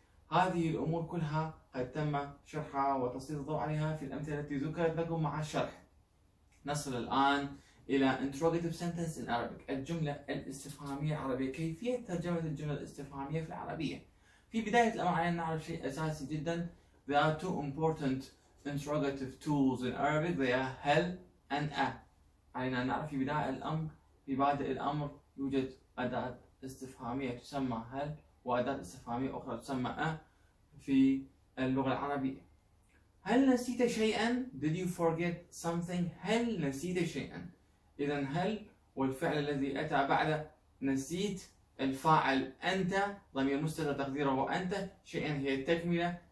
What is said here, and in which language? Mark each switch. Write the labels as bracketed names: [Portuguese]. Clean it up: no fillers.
[Arabic] هذه الأمور كلها قد تم شرحها وتسليط الضوء عليها في الأمثلة التي ذكرت لكم مع الشرح. نصل الآن إلى [English] interrogative sentence in Arabic، [Arabic] الجملة الاستفهامية العربية، كيفية ترجمة الجملة الاستفهامية في العربية. في بداية الأمر علينا نعرف شيء أساسي جدا. [English] There are two important interrogative tools in Arabic they are هل and أ. [Arabic] علينا أن نعرف في بداية الأمر في بعد الأمر يوجد أداة استفهامية تسمى هل وأداة استفهامية أخرى تسمى أ في اللغة العربية. هل نسيت شيئا؟ [English] Did you forget something؟ [Arabic] هل نسيت شيئا؟ إذا هل والفعل الذي أتى بعد نسيت الفاعل أنت ضمير مستتر تقديره وأنت شيئا هي التكملة.